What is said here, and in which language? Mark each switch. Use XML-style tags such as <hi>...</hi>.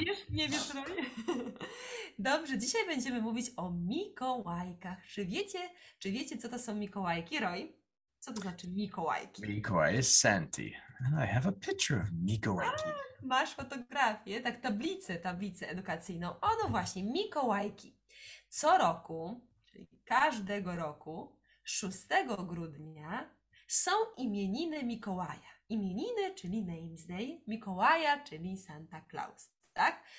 <pl>Nie wiesz, Roy? Dobrze, dzisiaj będziemy mówić o mikołajkach. Czy wiecie, co to są mikołajki, Roy? Co to znaczy mikołajki? Mikołaj jest Santi.</pl> <en>And I have a picture of mikołajki.</en> <pl>Masz fotografię, tak, tablicę edukacyjną. O, no właśnie, mikołajki. Co roku, czyli każdego roku, 6 grudnia, są imieniny Mikołaja. Imieniny, czyli Names Day, Mikołaja, czyli Santa Claus. Tak?</pl>